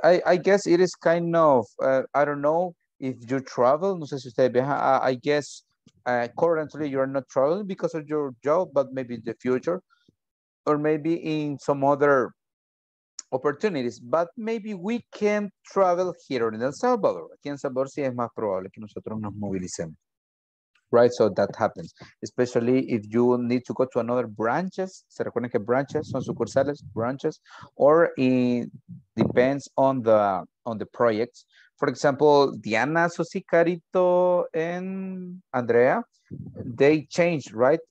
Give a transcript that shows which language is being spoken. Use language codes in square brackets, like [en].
[en] I guess it is kind of, I don't know if you travel. [es] No sé si usted viaja. [en] I guess... currently you are not traveling because of your job, but maybe in the future or maybe in some other opportunities, but maybe we can travel here in El Salvador. [es] Aquí en Salvador sí es más probable que nosotros nos movilicemos, right? [en] So that happens, especially if you need to go to another branches. [es] Se recuerden que branches son sucursales, branches, [en] or it depends on the projects. For example, Diana, Susi, Carito, and Andrea, they change, right?